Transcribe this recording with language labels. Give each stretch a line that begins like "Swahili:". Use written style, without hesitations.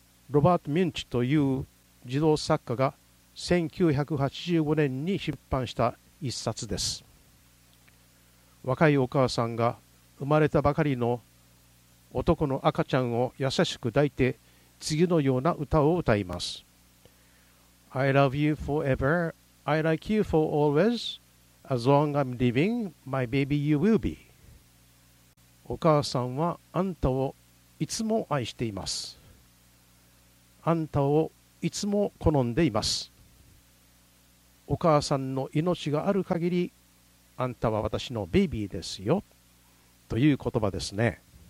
Japanese: ロバート・ミュンチという児童作家が1985年に出版した一冊です。若いお母さんが生まれたばかりの男の赤ちゃんを優しく抱いて次のような歌を歌います。
English: I love you forever, I like you for always, as long as I'm living, my baby you will be.
Japanese: お母さんはあんたをいつも愛しています。あんたをいつも好んでいます。お母さんの命がある限り、あんたは私のベイビーですよ、という言葉ですね。